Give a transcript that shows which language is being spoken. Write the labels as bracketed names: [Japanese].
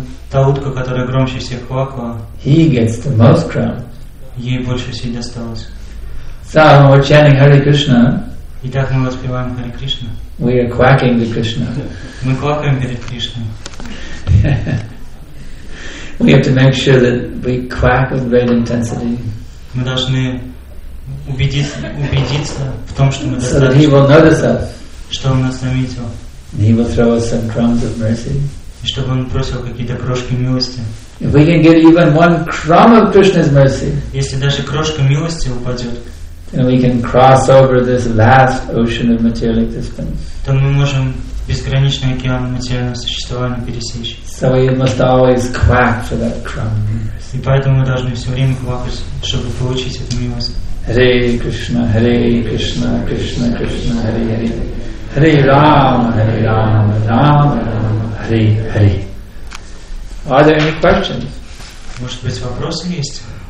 [Russian] та утка, которая громче всех квакала, [English] he gets the most crumbs. [Russian] Ей больше всего досталось. [English] So when we're chanting Hare Krishna, [Russian] и так мы воспеваем Hare Krishna. [English] We are quacking to Krishna. [Russian] Мы квакаем перед Кришной. [English] We have to make sure that we quack with great intensity. [Russian] Мы должны убедиться в том, что мы достаточно. [English] So that he will notice us. [Russian] Что он нас заметил. [English] And he will throw us some crumbs of mercy. [Russian] И чтобы он бросил какие-то крошки милости. [English] If we can get even one crumb of Krishna's mercy, [Russian] если даже крошка милости упадет, [English] then we can cross over this vast ocean of material existence. [Russian] То мы можем безграничный океан материального существования пересечь. [English] So we must always quack for that crumb of mercy. [Russian] И поэтому мы должны все время квакать, чтобы получить эту милость. [Sanskrit] Hare Krishna, Hare Krishna, Krishna Krishna, Hare Hare. Hare Rama, Hare Rama, Rama Rama, Hare Hare. [English] Are there any questions? [Russian] Может быть, вопросы есть?